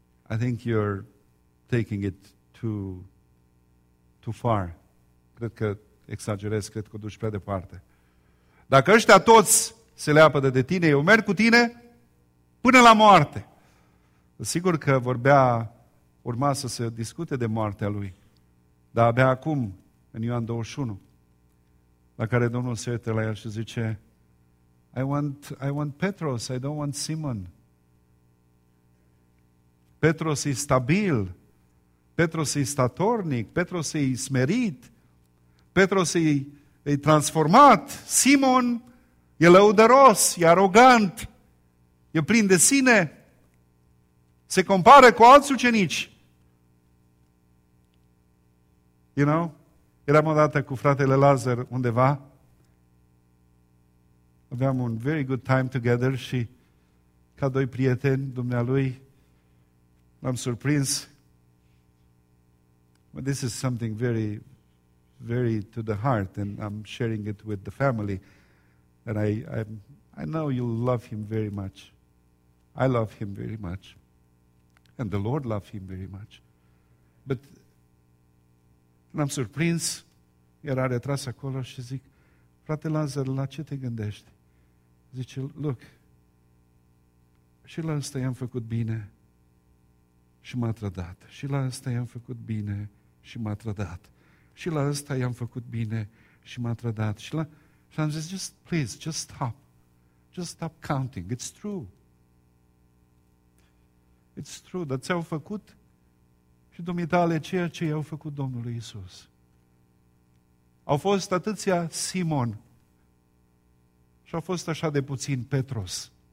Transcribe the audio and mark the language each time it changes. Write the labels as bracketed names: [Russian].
[English] I think you're taking it too far. [Romanian] Cred că exagerez, cred că o duci prea departe. Dacă ăștia toți se leapădă de tine, eu merg cu tine până la moarte. Sigur că urma să se discute de moartea lui, dar abia acum, în Ioan 21, la care Domnul se uită la el și zice, [English] I want Petros, I don't want Simon. [Romanian] Petros e stabil, Petros e statornic, Petros e smerit, Petros e transformat, Simon e lăudăros, e arogant, e plin de sine, se compară cu alți ucenici. [English] You know? [Romanian] Eram odată cu fratele Lazar undeva, aveam un [English] very good time together [Romanian] și ca doi prieteni, dumnealui, l-am surprins. [English] But this is something very, very to the heart and I'm sharing it with the family. And I know you love him very much. I love him very much. And the Lord loves him very much. [Romanian] But l-am surprins, era retras acolo și zic, frate Lazar, la ce te gândești? Zice, [English] look, [Romanian] și la ăsta i-am făcut bine și m-a trădat. Și la ăsta i-am făcut bine și m-a trădat. Și la ăsta i-am făcut bine și m-a trădat. Și am zis, [English] just please, just stop. Just stop counting. It's true. It's true. [Romanian] Dar ți-au făcut și dumitale ceea ce i-au făcut Domnului Iisus. Au fost atâția Simon și au fost așa de puțin Petros.